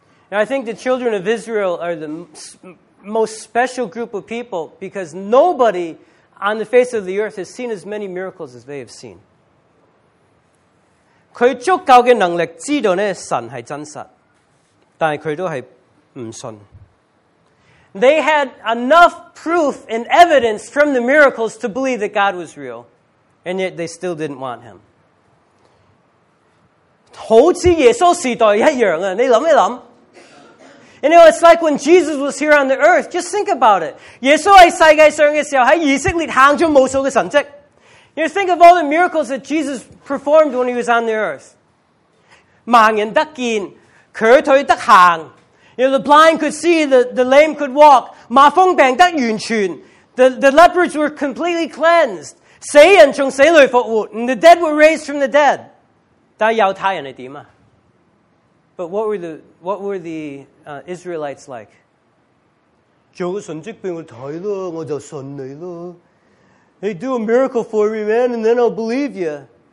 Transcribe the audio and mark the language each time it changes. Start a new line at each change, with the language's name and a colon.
English: And I think the children of Israel are the most special group of people because nobody on the face of the earth has seen as many miracles as they have seen.
Chinese: 他足够的能力知道神是真实，但他都是不信。They
English: had enough proof and evidence from the miracles to believe that God was real, and yet they still didn't want him.
Chinese: 好像耶稣时代一样，你想一想。
English: You know, it's like when Jesus was here on the earth, just think about it.
Chinese: 耶稣在世界上的时候，在以色列行了无数的神迹。
English: You know, think of all the miracles that Jesus performed when he was on the earth.
Chinese: 盲人得见，瘸腿得行。
English: You know, the blind could see, the lame could walk.
Chinese: 麻风病得完全。
English: The lepers were completely cleansed.
Chinese: 死人从死里复活。
English: And the dead were raised from the dead.
Chinese: 但犹太人是怎样?
English: But what were the Israelites like?
Chinese: 做个神迹给我看咯，我就信你咯。
English: Hey, do a miracle for me, man, and then I'll believe you.